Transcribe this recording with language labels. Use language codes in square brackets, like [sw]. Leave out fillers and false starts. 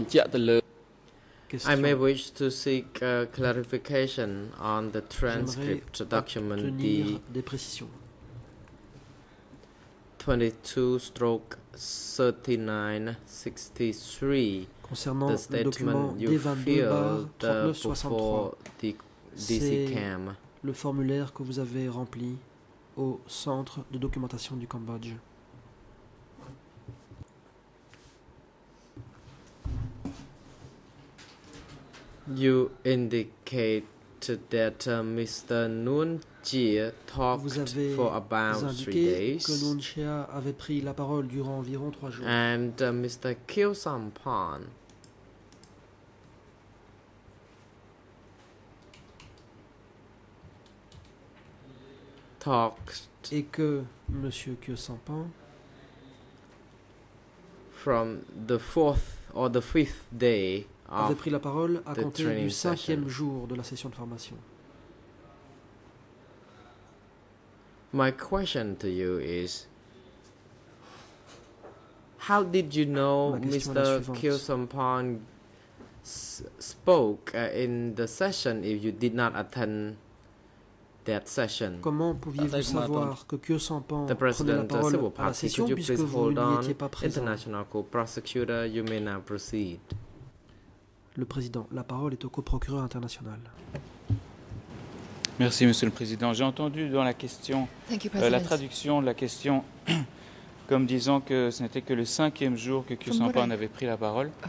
[en] Question. I may wish to seek clarification on the transcript document D 22/3963, the statement you filled before the DC CAM. [fr] Le formulaire que vous avez rempli au centre de documentation du Cambodge. [en] You indicate that Mr. Nguyen Chia talked for about 3 days. [fr] Que Nguyen Chia avait pris la parole durant environ 3 jours. [en] And Mr. Kyo Sampan. Talked. [fr] Et que Monsieur Kyo Sampan. [en] From the fourth or the fifth day. [fr] Avait pris la parole à compter du cinquième jour de la session de formation. [en] My question to you is, how did you know Mr. Kyo Sampan spoke in the session if you did not attend that session? [fr] Comment pouviez-vous savoir que Kyo Sampan prenait la parole à la session puisque vous n'y étiez pas présent? [en] International Court Prosecutor, you may now proceed. [fr] Le Président, la parole est au coprocureur international. Merci, Monsieur le Président. J'ai entendu dans la question, la traduction de la question, comme disant que ce n'était que le cinquième jour que Kyo Sampan avait pris la parole.